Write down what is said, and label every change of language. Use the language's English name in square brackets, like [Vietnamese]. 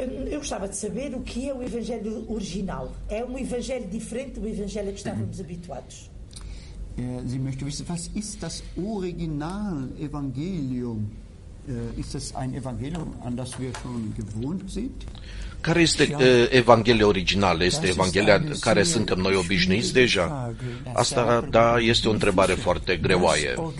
[Portuguese] Eu gostava de saber o que é o evangelho original. É um evangelho diferente do evangelho a que estávamos habituados. [German] Sie möchte wissen, was ist das Original-Evangelium? Ist es ein Evangelium, an das wir schon gewohnt sind? [Romanian] Care este Evanghelia originală? Este Evanghelia care suntem noi obișnuiți deja? Asta, da, este o întrebare foarte greoaie.